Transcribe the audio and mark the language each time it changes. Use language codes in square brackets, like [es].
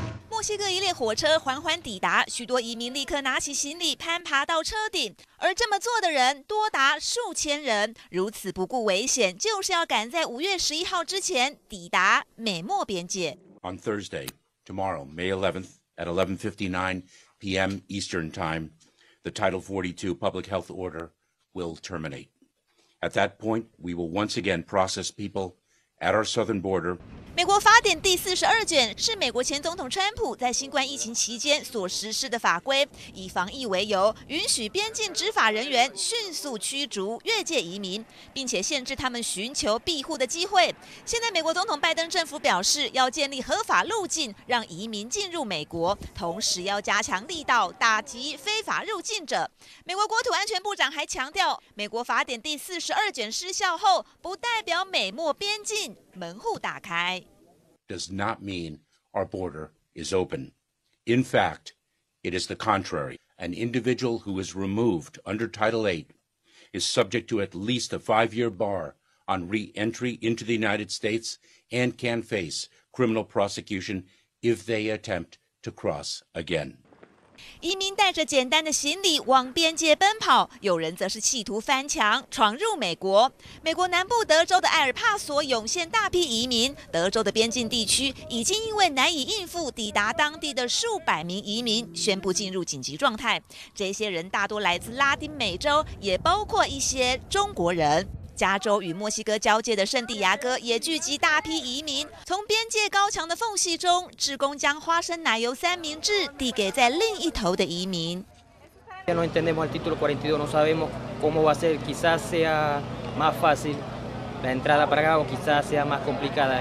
[zh] 墨西哥一列火车缓缓抵达，许多移民立刻拿起行李攀爬到车顶，而这么做的人多达数千人，如此不顾危险，就是要赶在5月11号之前抵达美墨边界。 [en] On Thursday, tomorrow, May 11th at 11:59 p.m. Eastern Time, the Title 42 public health order will terminate. At that point, we will once again process people at our southern border. [zh] 美国法典第42卷是美国前总统川普在新冠疫情期间所实施的法规，以防疫为由，允许边境执法人员迅速驱逐越界移民，并且限制他们寻求庇护的机会。现在，美国总统拜登政府表示，要建立合法路径让移民进入美国，同时要加强力道打击非法入境者。美国国土安全部长还强调，美国法典第42卷失效后，不代表美墨边境门户打开。 [en] Does not mean our border is open. In fact, it is the contrary. An individual who is removed under Title 8 is subject to at least a 5-year bar on re-entry into the United States and can face criminal prosecution if they attempt to cross again. [zh] 移民带着简单的行李往边界奔跑，有人则是企图翻墙闯入美国。美国南部德州的埃尔帕索涌现大批移民，德州的边境地区已经因为难以应付抵达当地的数百名移民，宣布进入紧急状态。这些人大多来自拉丁美洲，也包括一些中国人。加州与墨西哥交界的圣地亚哥也聚集大批移民，从边界高墙的缝隙中，志工将花生奶油三明治递给在另一头的移民。 [es] No entendemos el título 42, no sabemos cómo va a ser, quizás sea más fácil la entrada para acá o quizás sea más complicada.